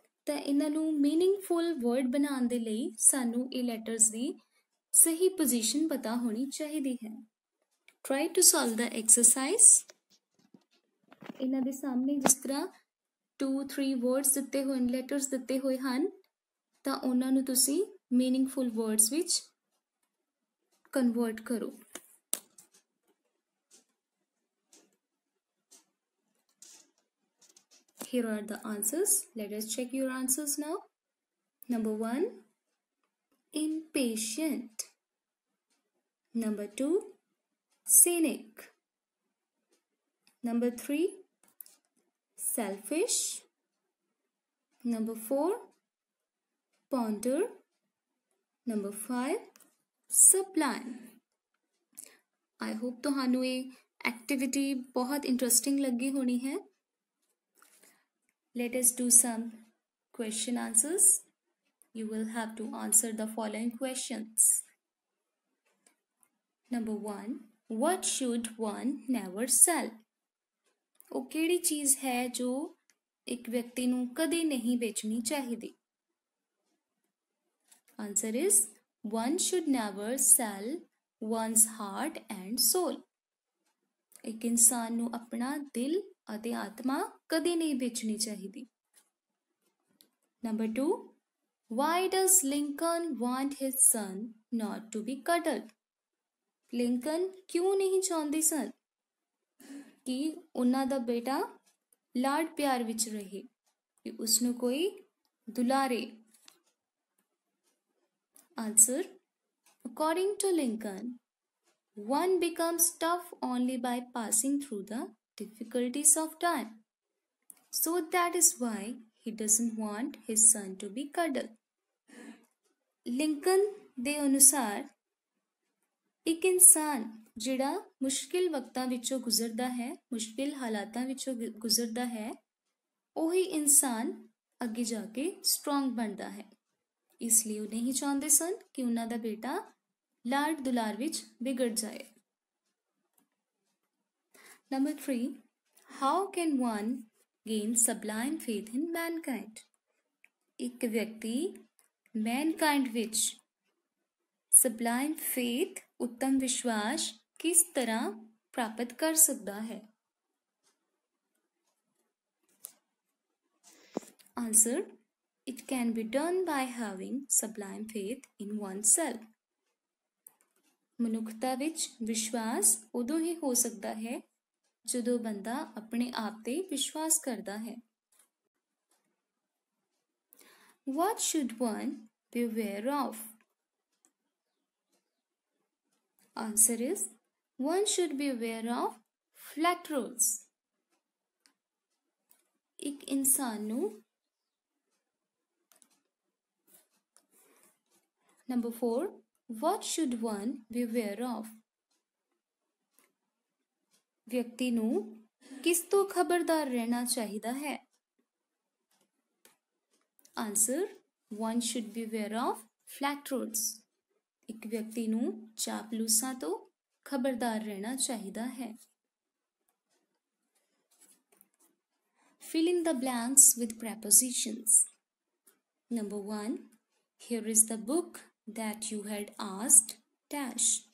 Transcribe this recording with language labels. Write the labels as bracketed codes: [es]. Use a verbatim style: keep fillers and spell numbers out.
[pa] ਤਾਂ ਇਹਨਾਂ ਨੂੰ ਮੀਨਿੰਗਫੁਲ ਵਰਡ ਬਣਾਉਣ ਦੇ ਲਈ ਸਾਨੂੰ ਇਹ ਲੈਟਰਸ ਦੀ ਸਹੀ ਪੋਜੀਸ਼ਨ ਪਤਾ ਹੋਣੀ ਚਾਹੀਦੀ ਹੈ। [en] Try to solve the exercise. [pa] ਇਹਨਾਂ ਦੇ ਸਾਹਮਣੇ ਜਿਸ ਤਰ੍ਹਾਂ ਟੂ ਥ੍ਰੀ ਵਰਡਸ ਦਿੱਤੇ ਹੋਏ ਹਨ, ਲੈਟਰਸ ਦਿੱਤੇ ਹੋਏ ਹਨ, ਤਾਂ ਉਹਨਾਂ ਨੂੰ ਤੁਸੀਂ ਮੀਨਿੰਗਫੁਲ ਵਰਡਸ ਵਿੱਚ ਕਨਵਰਟ ਕਰੋ। [en] Here are the answers. Let us check your answers now. Number one, impatient. Number two, scenic. Number three, selfish. Number four, ponder. Number five, sublime. I hope [pa] ਤੁਹਾਨੂੰ ਇਹ ਐਕਟੀਵਿਟੀ ਬਹੁਤ interesting ਲੱਗੀ ਹੋਣੀ ਹੈ। [en] Let us do some question answers. You will have to answer the following questions. Number one, what should one never sell? [pa] ਉਹ ਕਿਹੜੀ ਚੀਜ਼ ਹੈ ਜੋ ਇੱਕ ਵਿਅਕਤੀ ਨੂੰ ਕਦੇ ਨਹੀਂ ਵੇਚਣੀ ਚਾਹੀਦੀ? [en] Answer is, one should never sell one's heart and soul. [pa] ਇੱਕ ਇਨਸਾਨ ਨੂੰ ਆਪਣਾ ਦਿਲ ਅਤੇ ਆਤਮਾ ਕਦੇ ਨਹੀਂ ਵੇਚਣੀ ਚਾਹੀਦੀ। [en] Number two, why does Lincoln want his son not to be cuddled? [pa] Lincoln ਕਿਉਂ ਨਹੀਂ ਚਾਹੁੰਦੇ ਸਨ ਕਿ ਉਹਨਾਂ ਦਾ ਬੇਟਾ ਲਾਡ ਪਿਆਰ ਵਿੱਚ ਰਹੇ, ਕਿ ਉਸ ਨੂੰ ਕੋਈ ਦੁਲਾਰੇ? [en] Answer, according to Lincoln, one becomes tough only by passing through the difficulties of time. So that is why he doesn't want his son to be cuddled. [pa] Lincoln ਦੇ ਅਨੁਸਾਰ ਇੱਕ ਇਨਸਾਨ ਜਿਹੜਾ ਮੁਸ਼ਕਿਲ ਵਕਤਾਂ ਵਿੱਚੋਂ ਗੁਜ਼ਰਦਾ ਹੈ, ਮੁਸ਼ਕਿਲ ਹਾਲਾਤਾਂ ਵਿੱਚੋਂ ਗੁ- ਗੁਜ਼ਰਦਾ ਹੈ, ਉਹੀ ਇਨਸਾਨ ਅੱਗੇ ਜਾ ਕੇ ਸਟਰੋਂਗ ਬਣਦਾ ਹੈ। ਇਸ ਲਈ ਉਹ ਨਹੀਂ ਚਾਹੁੰਦੇ ਸਨ ਕਿ ਉਹਨਾਂ ਦਾ ਬੇਟਾ ਲਾਡ ਦੁਲਾਰ ਵਿੱਚ ਵਿਗੜ ਜਾਏ। [en] Number three, how can one gain sublime faith in mankind? [pa] ਇੱਕ ਵਿਅਕਤੀ mankind ਵਿੱਚ ਸਬਲਾਈਮ ਫੇਥ, ਉੱਤਮ ਵਿਸ਼ਵਾਸ ਕਿਸ ਤਰ੍ਹਾਂ ਪ੍ਰਾਪਤ ਕਰ ਸਕਦਾ ਹੈ? [en] Answer, it can be done by having sublime faith in oneself. [pa] ਮਨੁੱਖਤਾ ਵਿੱਚ ਵਿਸ਼ਵਾਸ ਉਦੋਂ ਹੀ ਹੋ ਸਕਦਾ ਹੈ ਜਦੋਂ ਬੰਦਾ ਆਪਣੇ ਆਪ ਤੇ ਵਿਸ਼ਵਾਸ ਕਰਦਾ ਹੈ। [en] What should one beware of? Answer is, one should be aware of flatterers. [pa] ਇੱਕ ਇਨਸਾਨ ਨੂੰ [en] Number four, what should one be aware of? [pa] ਵਿਅਕਤੀ ਨੂੰ ਕਿਸ ਤੋਂ ਖਬਰਦਾਰ ਰਹਿਣਾ ਚਾਹੀਦਾ ਹੈ? [en] Answer, one should be aware of flatterers. [pa] ਇੱਕ ਵਿਅਕਤੀ ਨੂੰ ਚਾਪਲੂਸਾਂ ਤੋਂ ਖਬਰਦਾਰ ਰਹਿਣਾ ਚਾਹੀਦਾ ਹੈ। [en] Fill in the blanks with prepositions. Number one, here is the book that you had asked dash.